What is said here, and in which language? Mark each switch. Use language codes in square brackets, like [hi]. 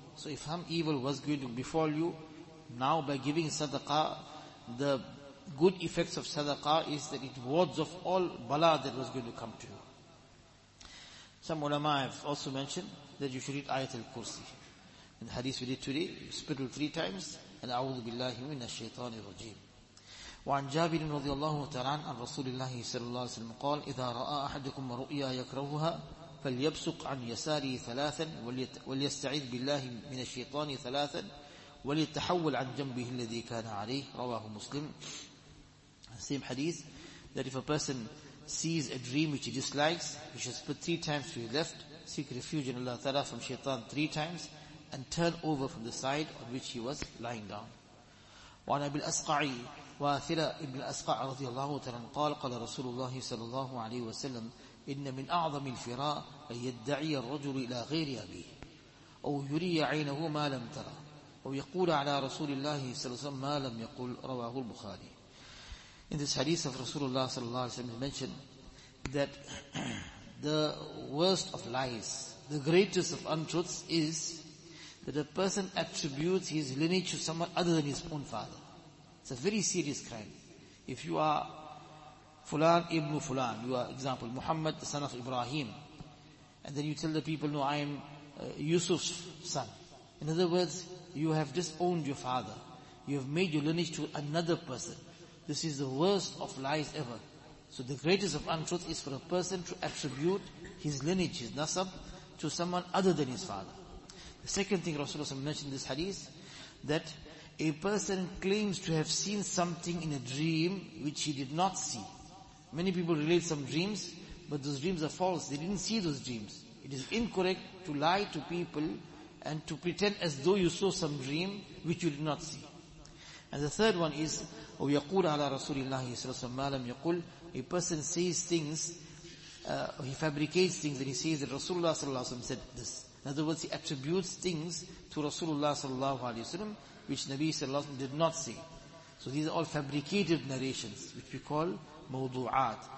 [en] So if some evil was going to befall you, now by giving sadaqah, the good effects of sadaqah is that it wards off all bala that was going to come to you. Some ulama have also mentioned that you should read Ayat al-Kursi. In the hadith we did today, you spittle 3 times, and [ar] A'udhu Billahi Minash Shaitani Rajeem. وعن جابر رضي الله تعالى عن رسول الله صلى الله عليه وسلم قال إذا رأى أحدكم رؤيا يكرهها فليبصق عن يساره ثلاثا وليستعيذ بالله من الشيطان ثلاثا وليتحول عن جنبه الذي كان عليه رواه مسلم. [en] Same hadith, that if a person sees a dream which he dislikes, he should spit 3 times to his left, seek refuge in Allah Ta'ala from shaitan 3 times, and turn over from the side on which he was lying down. [ar] وعن أبي الأسقع واثرة ابن الأسقع رضي الله تعالى قال قال رسول الله صلى الله عليه وسلم إن من أعظم الفراء أن يدعي الرجل إلى غير أبيه أو يري عينه ما لم ترى أو يقول على رسول الله صلى الله عليه وسلم ما لم يقل رواه البخاري. [en] In this hadith of Rasulullah [ar] صلى الله عليه وسلم, [en] he mentioned that the worst of lies, the greatest of untruths is that a person attributes his lineage to someone other than his own father. It's a very serious crime. If you are Fulan ibn Fulan, you are, example, Muhammad, the son of Ibrahim, and then you tell the people, no, I am Yusuf's son. In other words, you have disowned your father. You have made your lineage to another person. This is the worst of lies ever. So the greatest of untruth is for a person to attribute his lineage, his nasab, to someone other than his father. The second thing Rasulullah mentioned in this hadith, that a person claims to have seen something in a dream which he did not see. Many people relate some dreams, but those dreams are false. They didn't see those dreams. It is incorrect to lie to people and to pretend as though you saw some dream which you did not see. And the third one is, [ar] أو يقول على رسول الله صلى الله عليه وسلم ما لم يقول. [en] A person says things, he fabricates things, and he says that Rasulullah [ar] صلى الله عليه وسلم [en] said this. In other words, he attributes things to Rasulullah sallallahu alayhi wa sallam, which Nabi sallallahu alayhi wa sallam did not see. So these are all fabricated narrations, which we call mawdu'at.